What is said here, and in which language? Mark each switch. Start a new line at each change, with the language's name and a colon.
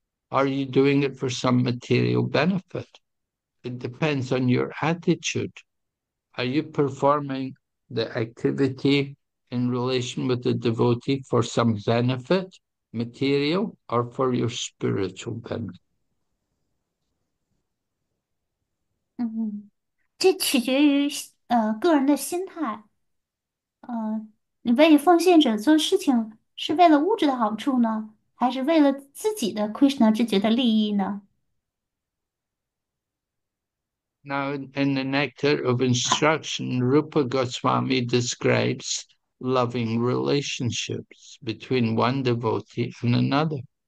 English: Are you doing it for some material benefit? It depends on your attitude. Are you performing the activity in relation with the devotee for some benefit, material, or for your spiritual benefit?
Chinese: 嗯，这取决于个人的心态。你为奉献者做事情是为了物质的好处呢，还是为了自己的 Krishna 之觉的利益呢？
English: Now, in the Nectar of Instruction, Rupa Goswami describes loving relationships between one devotee and another.